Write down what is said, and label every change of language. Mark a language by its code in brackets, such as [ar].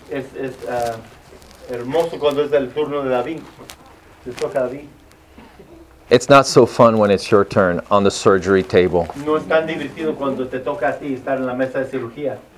[es] Es hermoso cuando es el turno de David. Se toca David. [en] It's not so fun when it's your turn on the surgery table. [es] No es tan divertido cuando te toca a ti estar en la mesa de cirugía.